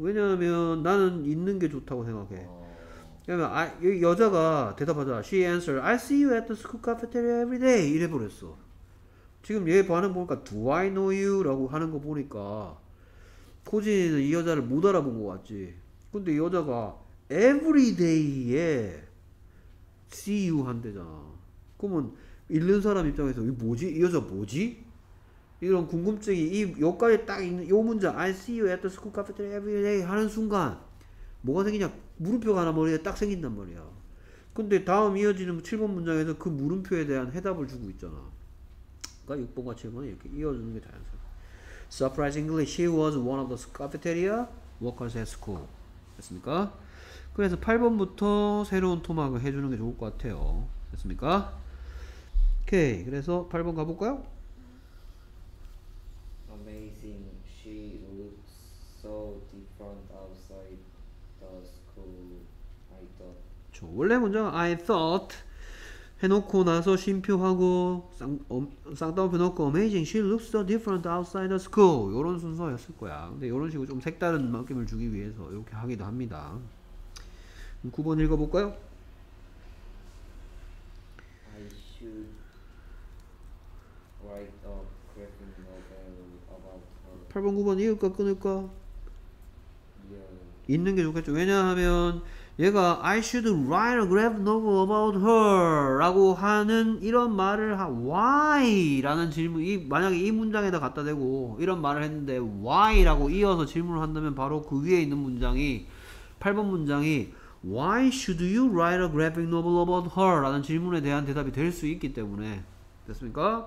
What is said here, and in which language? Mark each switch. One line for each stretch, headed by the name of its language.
Korean: 왜냐하면 나는 있는 게 좋다고 생각해. 왜냐면 여자가 대답하자.
English: She answered, I see you at the school cafeteria every day.
Korean: 이래 버렸어. 지금 얘 반응 보니까
English: Do I know you?
Korean: 라고 하는 거 보니까 코진이는 이 여자를 못 알아본 것 같지. 근데 이 여자가 every day에
English: see you
Korean: 한대잖아. 그러면 읽는 사람 입장에서 이 뭐지? 이 여자 뭐지? 이런 궁금증이 이 여기까지 딱 있는 이 문장
English: I see you at the school cafeteria every day
Korean: 하는 순간 뭐가 생기냐? 물음표가 하나 머리에 딱 생긴단 말이야. 근데 다음 이어지는 7번 문장에서 그 물음표에 대한 해답을 주고 있잖아. 그러니까 6번과 7번이 이렇게 이어주는 게 자연스러워.
English: Surprisingly, she was one of the cafeteria workers at school.
Korean: 됐습니까? 그래서 8번부터 새로운 토막을 해주는 게 좋을 것 같아요. 됐습니까? 오케이, 그래서 8번 가볼까요?
English: Amazing, she looks so different outside the school, I thought.
Korean: 저 원래 먼저
English: I thought
Korean: 해놓고 나서 심표하고 쌍따옴표 놓고
English: Amazing, she looks so different outside the school
Korean: 이런 순서였을 거야. 근데 이런 식으로 좀 색다른 느낌을 주기 위해서 이렇게 하기도 합니다. 9번 읽어볼까요?
English: I should write a graphic novel about her.
Korean: 8번, 9번 읽을까 끊을까?
English: Yeah.
Korean: 있는 게 좋겠죠. 왜냐하면 얘가
English: I should write a graphic novel about her
Korean: 라고 하는 이런 말을 하 why 라는 질문 이 만약에 이 문장에다 갖다 대고 이런 말을 했는데 why 라고 이어서 질문을 한다면 바로 그 위에 있는 문장이 8번 문장이
English: why should you write a graphic novel about her
Korean: 라는 질문에 대한 대답이 될 수 있기 때문에 됐습니까?